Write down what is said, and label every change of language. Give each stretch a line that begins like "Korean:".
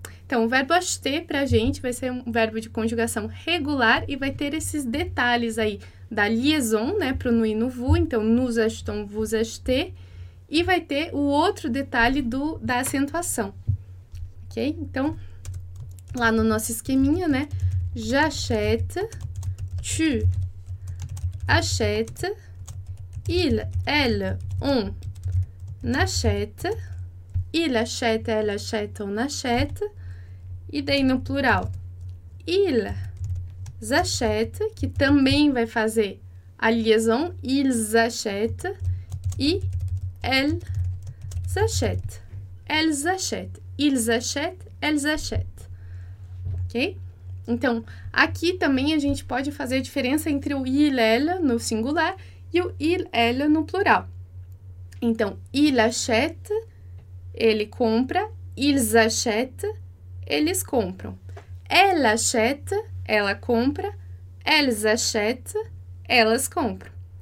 Portuguese: Então, o verbo acheter pra gente vai ser um verbo de conjugação regular e vai ter esses detalhes aí da liaison, né, pro nous e no vous. Então,
French: nous achetons, vous achetez.
Portuguese: E vai ter o outro detalhe da acentuação. Ok? Então, lá no nosso esqueminha, né?
French: J'achète, tu achète, ils, elles, on achète, ils achètent, elles achètent, on achète.
Portuguese: E daí no plural,
French: ils achètent,
Portuguese: que também vai fazer a liaison, ils achètent, e
French: elles achètent. Elles achètent, ils achètent, elles achètent. Ok?
Portuguese: Então, aqui também a gente pode fazer a diferença entre o il, ela no singular e o il, ela no plural. Então,
French: il achète,
Portuguese: ele compra,
French: ils achètent,
Portuguese: eles compram.
French: Elle achète,
Portuguese: ela compra,
French: elles achètent,
Portuguese: elas compram.